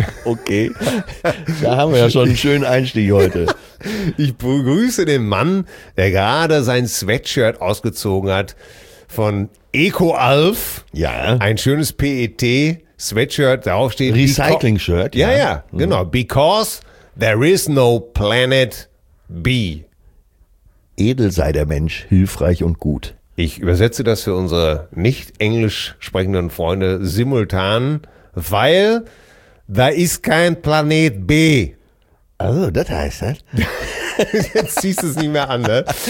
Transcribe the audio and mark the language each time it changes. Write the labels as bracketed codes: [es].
[de] Okay, da haben wir ja schon einen schönen Einstieg heute. Ich begrüße den Mann, der gerade sein Sweatshirt ausgezogen hat von EcoAlf. Ja. Ein schönes PET-Sweatshirt, darauf steht Recycling-Shirt. Ja, ja, genau. [en] Because there is no planet B. [de] Edel sei der Mensch, hilfreich und gut. Ich übersetze das für unsere nicht englisch sprechenden Freunde simultan, weil da ist kein Planet B. Oh, das heißt das. Jetzt ziehst du es nicht mehr an, ne?